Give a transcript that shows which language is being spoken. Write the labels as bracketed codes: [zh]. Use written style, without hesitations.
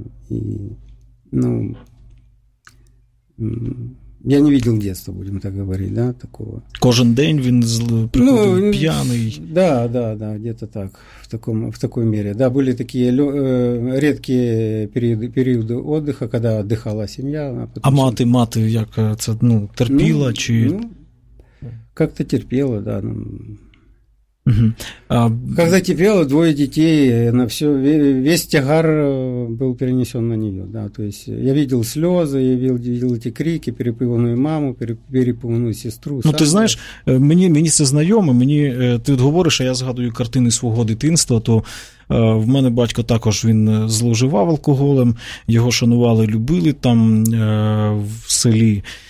[ru] И, ну, я не видел детства, будем так говорить, да, такого. [uk] Кожен день він приходил пьяный. [ru] Да, да, да, где-то так, в такой мере. Да, были такие редкие периоды отдыха, когда отдыхала семья. [uk] А мати, як це, ну, терпіла, ну, чи... [ru] Ну, как-то терпела, да, ну... Когда тепело, двое детей, на все, весь тягар был перенесен на нее, да, то есть я видел слезы, я видел эти крики, перепуганную маму, перепуганную сестру. [uk] Ну, ты знаешь, мені це знайоме, мені, ти от говориш, а я згадую картини свого дитинства, то в мене батько також, він зловживав алкоголем, його шанували, любили там в селі.